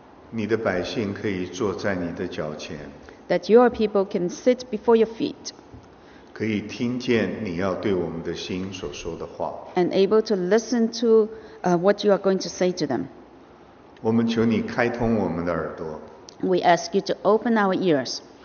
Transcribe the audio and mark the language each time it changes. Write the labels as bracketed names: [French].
[Chinese] 你的百姓可以坐在你的脚前, [English] that your people can sit before your feet. [Chinese] 可以听见你要对我们的心所说的话, [English] and able to listen to what you are going to say to them. [Chinese] 我们求你开通我们的耳朵, [English] we ask you to open our ears.